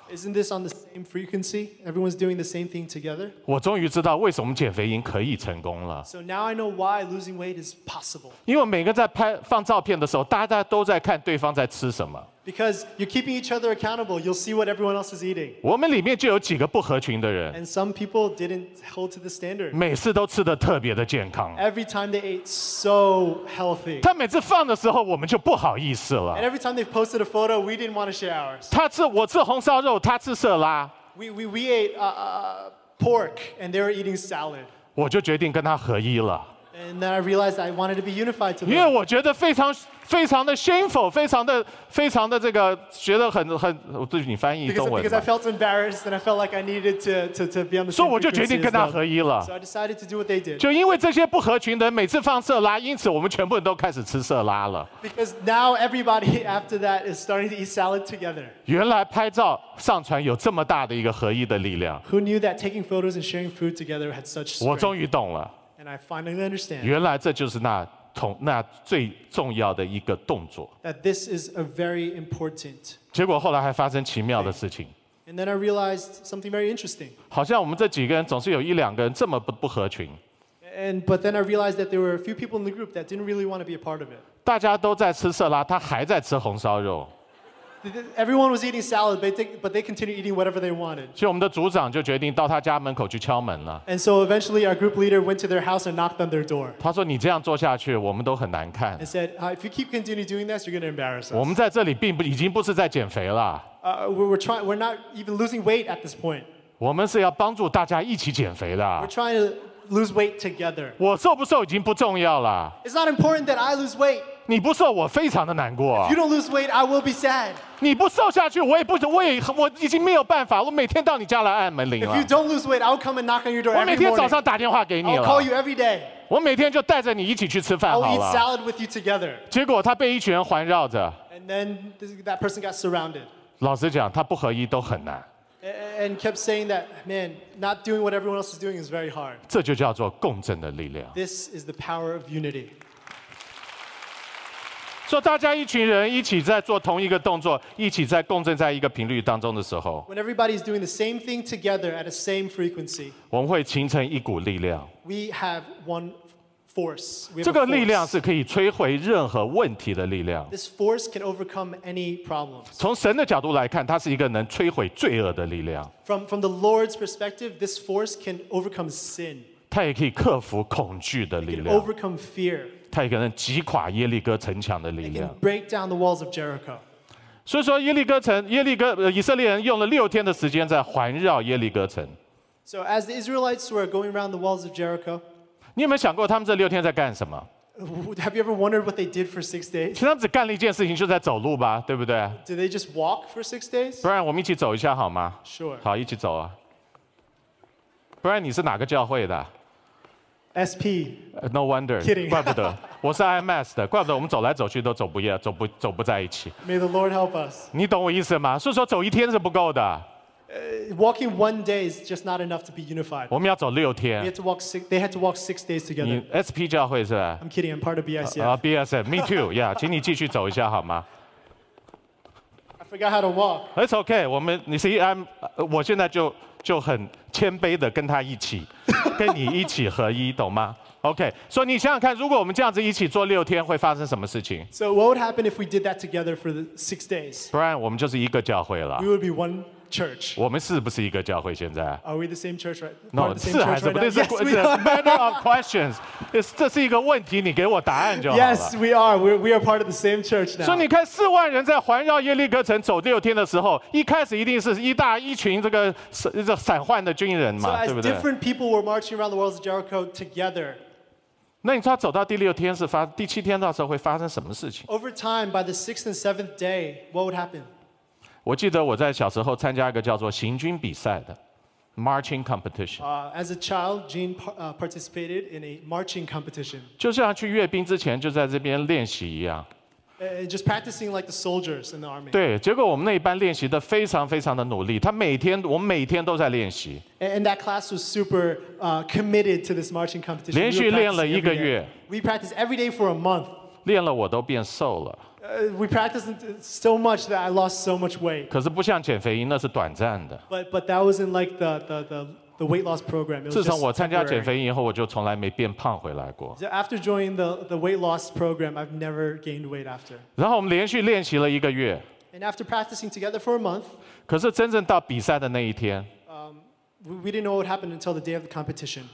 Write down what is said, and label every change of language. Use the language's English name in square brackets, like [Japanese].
[English] Isn't this on the same frequency? Everyone's doing the same thing together. [Chinese] 我终于知道为什么减肥营可以成功了。 [English] So now I know why losing weight is possible. [Chinese] 因为每个在拍放照片的时候，大家都在看对方在吃什么。 [English] Because you're keeping each other accountable, you'll see what everyone else is eating. [Chinese] 我们里面就有几个不合群的人。 [English] And some people didn't hold to the standard. [Chinese] 每次都吃得特别的健康。 [English] Every time they ate so healthy. [Chinese] 他每次放的时候，我们就不好意思了。 [English] And every time they posted a photo, we didn't want to share ours. [Chinese] 他吃我吃红烧肉，他吃色拉。 [English] We ate pork and they were eating salad. [Chinese] 我就决定跟他合一了。 [English] And then I realized I wanted to be unified to them. [Chinese] 因为我觉得非常非常的 shameful, 非常的这个觉得很，我自己翻译中文。 [English] Because I felt embarrassed and I felt like I needed to be on the same frequency. [Chinese] 所以我就决定跟他合一了。 [English] So I decided to do what they did. [Chinese] 就因为这些不合群的人每次放色拉，因此我们全部人都开始吃色拉了。 [English] Because now everybody after that is starting to eat salad together. [Chinese] 原来拍照上传有这么大的一个合一的力量。 [English] Who knew that taking photos and sharing food together had such strength? [Chinese] 我终于懂了。 [English] And I finally understand. [Chinese] 原来这就是那最重要的一个动作。 [English] That this is a very important. [Chinese] 结果后来还发生奇妙的事情。 [English] And then I realized something very interesting. [Chinese] 好像我们这几个人总是有一两个人这么不合群。 [English] And but then I realized that there were a few people in the group that didn't really want to be a part of it. [Chinese] 大家都在吃色拉，他还在吃红烧肉。 [English] Everyone was eating salad, but they continued eating whatever they wanted. [Chinese] 所以我们的组长就决定到他家门口去敲门了。 [English] And so eventually our group leader went to their house and knocked on their door. [Chinese] 他说：“你这样做下去，我们都很难看。” [English] And said, "If you keep continuing doing this, you're going to embarrass us." [Chinese] 我们在这里并不已经不是在减肥了。 [English] We're not even losing weight at this point. [Chinese] 我们是要帮助大家一起减肥的。 [English] We're trying to lose weight together. [Chinese] 我瘦不瘦已经不重要了。 [English] It's not important that I lose weight. [Chinese] 你不瘦，我非常的难过。 [English] If you don't lose weight, I will be sad. [Chinese] 你不瘦下去，我已经没有办法。我每天到你家来按门铃了。 [English] If you don't lose weight, I'll come and knock on your door every morning. [Chinese] 我每天早上打电话给你了。 [English] I'll call you every day. [Chinese] 我每天就带着你一起去吃饭好了。 [English] I'll eat salad with you together. [Chinese] 结果他被一群人环绕着。 [English] And then that person got surrounded. [Chinese] 老实讲，他不合一都很难。 [English] And kept saying that, man, not doing what everyone else is doing is very hard. [Chinese] 这就叫做共振的力量。 [English] This is the power of unity. [Chinese] 说大家一群人一起在做同一个动作，一起在共振在一个频率当中的时候， [English] When everybody is doing the same thing together at the same frequency, [Chinese] 我们会形成一股力量。 [English] We have one force. [Chinese] 这个力量是可以摧毁任何问题的力量。 [English] This force can overcome any problems. [Chinese] 从神的角度来看，它是一个能摧毁罪恶的力量。 [English] From the Lord's perspective, this force can overcome sin. [Chinese] 它也可以克服恐惧的力量。 [English] It can overcome fear. [Chinese] 他也可能击垮耶利哥城墙的力量。 [English] Break down the walls of Jericho. [Chinese] 所以说以色列人用了六天的时间在环绕耶利哥城。 [English] So as the Israelites were going around the walls of Jericho, [Chinese] 你有没有想过他们这六天在干什么？ [English] Have you ever wondered what they did for six days? [Chinese] 其实他们只干了一件事情，就在走路吧，对不对？ [English] Did they just walk for six days? [Chinese] 不然我们一起走一下好吗？ [English] Sure. [Chinese] 好，一起走啊。不然你是哪个教会的？ [English] SP, no wonder, kidding. [Chinese] 怪不得我是 IMS 的，怪不得我们走来走去都走不在一起。 [English] May the Lord help us. [Chinese] 你懂我意思吗？所以说走一天是不够的。 [English] Walking one day is just not enough to be unified. [Chinese] 我们要走六天。 [English] They had to walk six days together. [Chinese] SP 教会是吧 [English] ？I'm kidding. I'm part of BSF. BSF, me too. [Chinese] Yeah, 请你继续走一下好吗 [English] ？I forgot how to walk. It's okay. [Chinese] 我们你是 IM， 我现在就很谦卑的跟他一起。跟你一起合一，懂吗 ？OK， 所以你想想看，如果我们这样子一起做六天，会发生什么事情 [English] ？So what would happen if we did that together for the six days？ [Chinese] Brian， 我们就是一个教会了。 [English] We would be one church? [Chinese] 我们是不是一个教会现在？ [English] Are we the same church right? [Chinese] No, 是还是不是？ [English] Yes, we are. It's a matter of questions. [Chinese] 这是一个问题，你给我答案就好了。 [English] Yes, we are. We are part of the same church now. [Chinese] 所以你看，四万人在环绕耶利哥城走六天的时候，一开始一定是一大一群这个散涣的军人嘛，对不对？ [English] So as different people were marching around the walls of Jericho together. [Chinese] 那你说走到第六天是发第七天到时候会发生什么事情 [English] Over time, by the sixth and seventh day, what would happen? [Chinese] 我记得我在小时候参加一个叫做行军比赛的 [English] marching competition. As a child, Gene participated in a marching competition. [Chinese] 就像去阅兵之前就在这边练习一样。 [English] Just practicing like the soldiers in the army. [Chinese] 对，结果我们那一班练习的非常非常的努力，他每天我们每天都在练习。 [English] And that class was super committed to this marching competition. [Chinese] 连续练了一个月。 [English] We practiced every day for a month. [Chinese] 练了我都变瘦了。 [English] We practiced so much that I lost so much weight. [Chinese] 可是不像减肥营，那是短暂的。 [English] But that wasn't like the weight loss program. [Chinese] 自从我参加减肥营以后，我就从来没变胖回来过。 [English] After joining the weight loss program, I've never gained weight after. [Chinese] 然后我们连续练习了一个月。 [English] And after practicing together for a month. [Chinese] 可是真正到比赛的那一天。 [English] We didn't know what happened until the day of the competition.